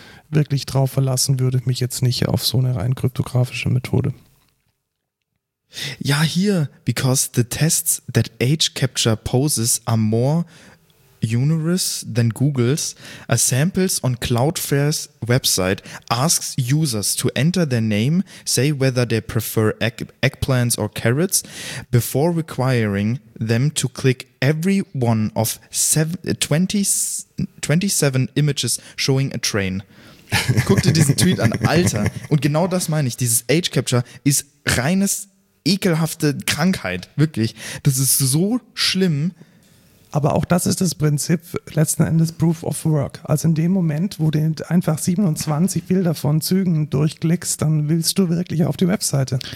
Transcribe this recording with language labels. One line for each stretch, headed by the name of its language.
German: Wirklich drauf verlassen würde ich mich jetzt nicht auf so eine rein kryptografische Methode. Ja, hier,
English: because the tests that age capture poses are more onerous than Google's, a samples on Cloudflare's website asks users to enter their name, say whether they prefer eggplants or carrots, before requiring them to click every one of 27 images showing a train.
German: Guck dir diesen Tweet an, Alter. Und genau das meine ich, dieses Age Capture ist reines ekelhafte Krankheit, wirklich. Das ist so schlimm. Aber auch das ist das Prinzip letzten Endes Proof of Work. Also in dem Moment, wo du einfach 27 Bilder von Zügen durchklickst, dann willst du wirklich auf die Webseite.